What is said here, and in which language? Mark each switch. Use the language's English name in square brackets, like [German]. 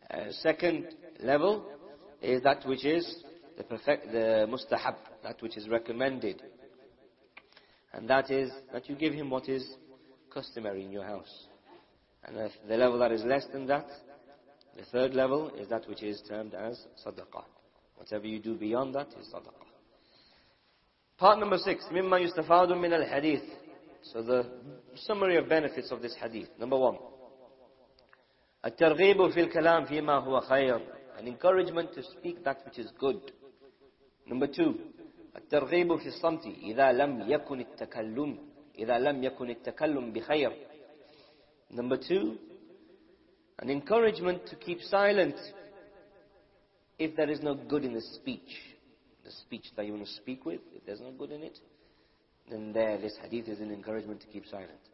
[English] Second level is that which is the mustahab, that which is recommended. And that is that you give him what is customary in your house. And the level that is less than that, the third level, is that which is termed as sadaqah. Whatever you do beyond that is sadaqah. Part number six, [Arabic] مِمَّا يُسْتَفَادُ مِنَ الْحَدِيثِ. [English] So the summary of benefits of this hadith. Number one, [Arabic] التَّرْغِيبُ فِي الْكَلَامِ فِي مَا هُوَ خَيْرٌ. [English] An encouragement to speak that which is good. Number two, [Arabic] التَّرْغِيبُ فِي الصَّمْتِ إِذَا لَمْ يَكُنِ التَّكَلُّمِ إِذَا لَمْ يَكُنِ التَّكَلُّمْ بِخَيْرٍ. [English] Number two, an encouragement to keep silent if there is no good in the speech. The speech that you want to speak with, if there's no good in it, then there, this hadith is an encouragement to keep silent.